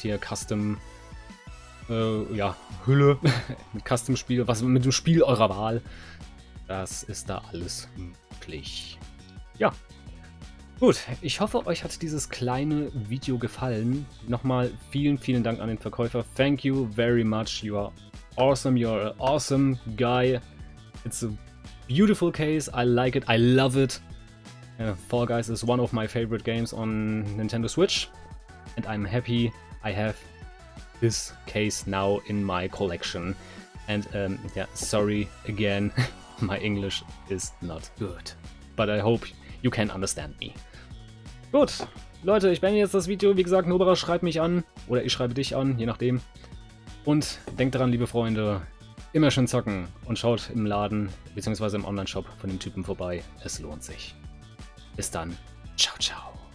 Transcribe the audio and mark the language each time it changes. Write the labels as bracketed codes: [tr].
[de] Hier, Custom, Hülle, Custom-Spiel, was mit dem Spiel eurer Wahl. Das ist da alles möglich. Ja, gut, ich hoffe, euch hat dieses kleine Video gefallen. Nochmal vielen, vielen Dank an den Verkäufer. [en] Thank you very much, you are awesome, you're an awesome guy. It's a beautiful case. I like it. I love it. Fall Guys is one of my favorite games on Nintendo Switch. And I'm happy I have this case now in my collection. And yeah, sorry again. My English is not good. But I hope you can understand me. [de] Gut. Leute, ich beende jetzt das Video. Wie gesagt, Nobara, schreib mich an. Oder ich schreibe dich an, je nachdem. Und denkt daran, liebe Freunde, immer schön zocken und schaut im Laden bzw. im Onlineshop von dem Typen vorbei. Es lohnt sich. Bis dann. Ciao, ciao.